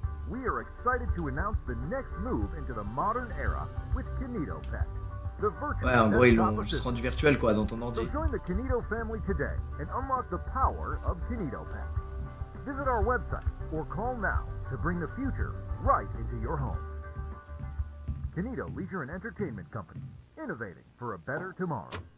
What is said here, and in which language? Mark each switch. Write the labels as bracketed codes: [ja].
[en] We are excited to announce the next move into the modern era with Kinito Pet. [fr] Ouais, en gros, ils l'ont juste rendu virtuel, quoi, dans ton ordi. [en] Join the Kinito family today and unlock the power of Kinito Pet. Visit our website or call now to bring the future right into your home. Kinito Leisure and Entertainment Company, innovating for a better tomorrow.